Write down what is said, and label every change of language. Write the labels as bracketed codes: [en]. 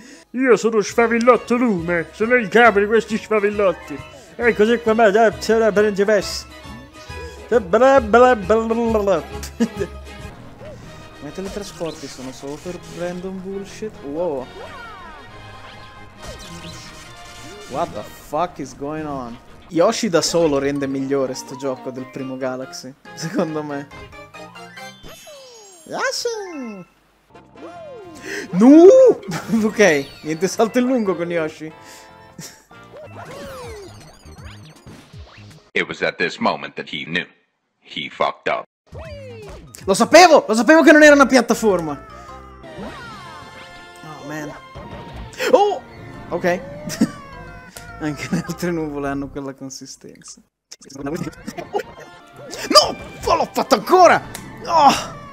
[it] Io sono Sfavillotto Lume, sono il capo di questi sfavillotti. E così qua me, c'è la Brangeves. Ma i teletrasporti sono solo per [en] random bullshit? Wow. What the fuck is going on? [it] Yoshi da solo rende migliore sto gioco del primo Galaxy, secondo me. Yoshi! No! Ok, niente salto in lungo con Yoshi. [en] It was at this moment that he knew. He fucked up. [it] Lo sapevo che non era una piattaforma. [en] Oh man. [it] Oh! Ok. Anche le altre nuvole hanno quella consistenza. No! Oh, l'ho fatto ancora! Oh!